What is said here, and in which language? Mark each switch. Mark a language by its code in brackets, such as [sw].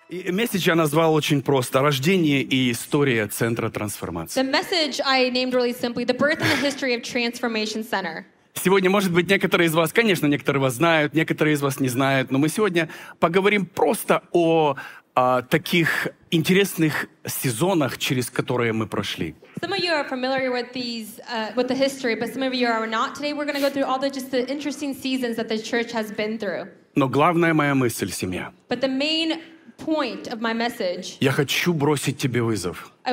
[ru] Месседж я назвал очень просто. Рождение и история Центра трансформации. [en] The message I named really simply, the birth and the history of Transformation Center. [ru] Сегодня, может быть, некоторые из вас, конечно, некоторые вас знают, некоторые из вас не знают, но мы сегодня поговорим просто о таких интересных сезонах, через которые мы прошли. [en] Some of you are familiar with these, with the history, but some of you are not. Today we're going to go through all the just the interesting seasons that the church has been through. [ru] Но главная моя мысль — семья. [en] But the main point of my message. [ru] Я хочу бросить тебе вызов.